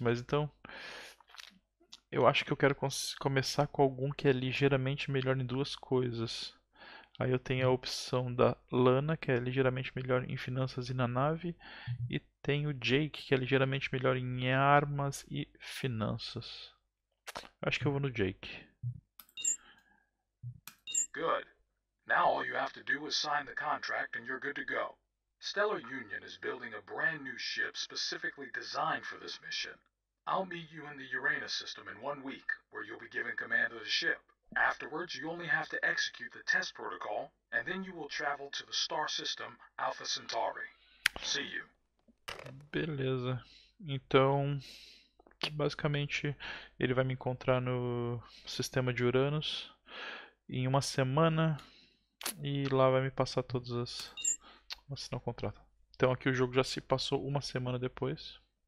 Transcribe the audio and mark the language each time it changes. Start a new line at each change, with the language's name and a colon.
Portuguese: Mas então, eu acho que eu quero começar com algum que é ligeiramente melhor em duas coisas. Aí eu tenho a opção da Lana, que é ligeiramente melhor em finanças e na nave. E tem o Jake, que é ligeiramente melhor em armas e finanças. Acho que eu vou no Jake.
English: Good. Now all you have to do is sign the contract and you're good to go. Stellar Union is building a brand new ship specifically designed for this mission. I'll meet you in the Uranus system in 1 week, where you'll be given command of the ship. Afterwards, you only have to execute the test protocol, and then you will travel to the star system Alpha Centauri. See you.
Portuguese: Beleza. Então, basicamente, ele vai me encontrar no sistema de Uranus em uma semana e lá vai me passar todas as... assinar o contrato. Então aqui o jogo já se passou uma semana depois.